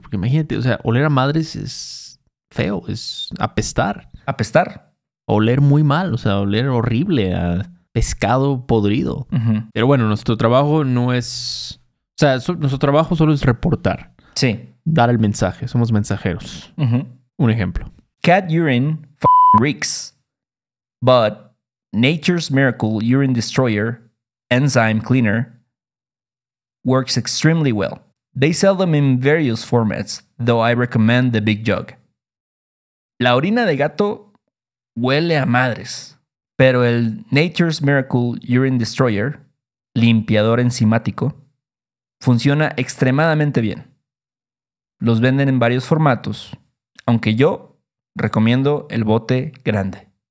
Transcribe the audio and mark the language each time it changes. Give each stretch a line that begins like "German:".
Spanish: Porque imagínate, o sea, oler a madres es feo, es apestar. Apestar. Oler muy mal, o sea, oler horrible a pescado podrido. Uh-huh. Pero bueno, nuestro trabajo no es... O sea, nuestro trabajo solo es reportar. Sí. Dar el mensaje, somos mensajeros. Uh-huh. Un ejemplo.
English: Cat urine f- reeks, but nature's miracle urine destroyer, enzyme cleaner, works extremely well. They sell them in various formats, though I recommend the big jug.
Spanish: La orina de gato huele a madres, pero el Nature's Miracle Urine Destroyer, limpiador enzimático, funciona extremadamente bien. Los venden en varios formatos, aunque yo recomiendo el bote grande.